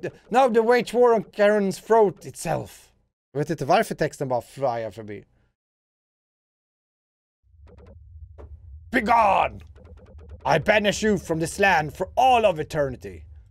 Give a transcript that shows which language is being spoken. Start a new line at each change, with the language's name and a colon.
English: Now the wage war on Karen's throat itself.
Swedish: Jag vet inte varför texten bara flyar förbi.
English: Be gone! I banish you from this land for all of eternity.